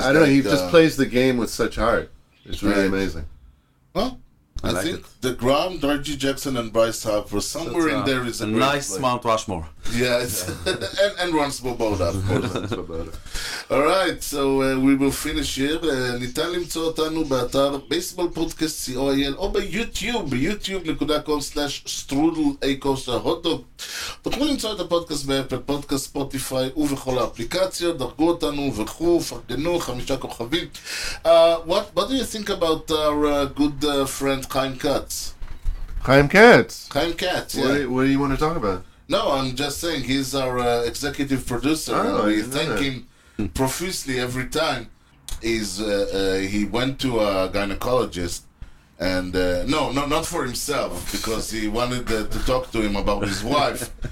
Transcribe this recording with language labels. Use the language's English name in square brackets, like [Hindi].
[English] I don't know. He just plays the game with such heart. It's really amazing. Well. I think the Grom, Reggie Jackson, and Bryce Harper, somewhere in there is a great nice Mount Rushmore. Yeah. and Ron Swoboda, of course. All right, so we will finish here. [Hebrew] ניתן למצוא אותנו באתר baseballpodcast.co.il או ביוטיוב, youtube.com/strudelacosterhotdog. תוכלו למצוא את הפודקאסט באפל, פודקאסט, ספוטיפיי ובכל האפליקציות. דרגו אותנו וכו, פרגנו, 5 כוכבים. [English] What do you think about our good friend Chaim Katz? Chaim Katz, yeah. What do you want to talk about? No, I'm just saying he's our executive producer. We thank him profusely every time. He went to a gynecologist, and no, not for himself, because he wanted to talk to him about his wife.